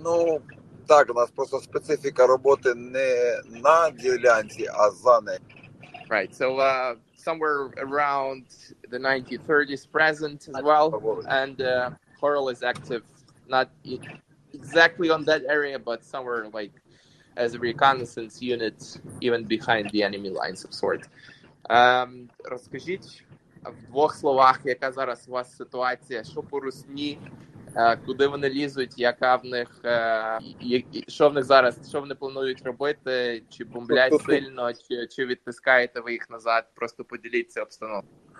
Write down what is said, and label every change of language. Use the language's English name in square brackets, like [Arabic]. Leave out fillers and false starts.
[Ukrainian] Ну, так, у нас просто специфіка роботи не на ділянці, а за нею. [English] Right. So somewhere around the 93rd is present as well, and Horol is active not exactly on that area, but somewhere like as a reconnaissance unit, even behind the enemy lines of sort. [Ukrainian] Розкажіть в двох словах, яка зараз у вас ситуація, що по Русні, куди вони лізуть, яка в них, що в них зараз, що вони планують робити, чи бомблять сильно, чи відпускаєте ви їх назад, просто поділіться обстановкою.